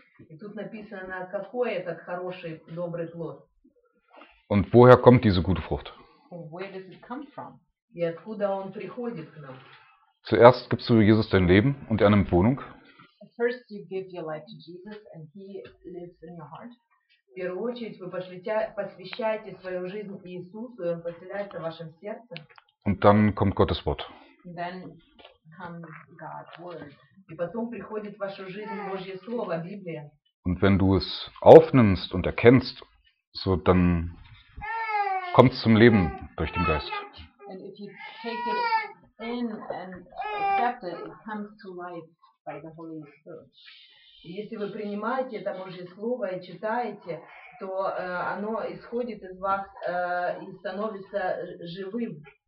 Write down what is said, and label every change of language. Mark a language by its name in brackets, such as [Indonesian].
[Russian] И тут написано, какой этот хороший, добрый плод. [German] Und woher kommt diese gute Frucht? [English] Where does it come from? [Russian] И откуда он приходит к нам? [German] Zuerst gibst du Jesus dein Leben und er nimmt Wohnung. [English] First you give your life to Jesus and he lives in your heart. [Russian] В первую очередь вы посвящаете свою жизнь Иисусу, и он поселяется в вашем сердце. [German] Und dann kommt Gottes Wort. [English] Then comes God's word. [Russian] И потом приходит в вашу жизнь Божье Слово, Библия. [German] Und wenn du es aufnimmst und erkennst, so dann kommt es zum Leben durch den Geist. [English] And if you take it in and accept it, it comes to life by the Holy Spirit. [Russian] Если вы принимаете это Божье Слово и читаете, то оно исходит из вас и становится живым.